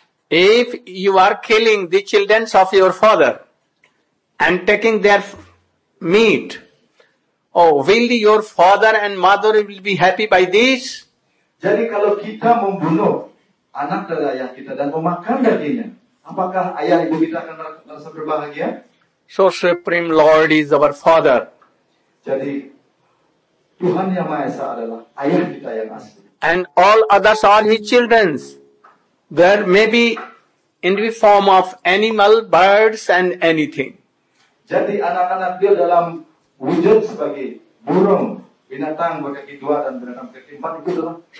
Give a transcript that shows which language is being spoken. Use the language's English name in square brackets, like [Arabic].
[English] If you are killing the children of your father and taking their meat, will your father and mother will be happy by this? [Indonesian] Jadi kalau kita membunuh anak dari ayah kita dan memakan dagingnya, apakah ayah ibu kita akan merasa berbahagia? [English] So Supreme Lord is our father. [Indonesian] Jadi Tuhan Yang Maha Esa adalah ayah kita yang asli. [English] And all others are his children. There may be in the form of animal, birds and anything. [Indonesian] Jadi anak-anak dia dalam wujud sebagai burung, binatang berkaki dua dan binatang berkaki empat itu adalah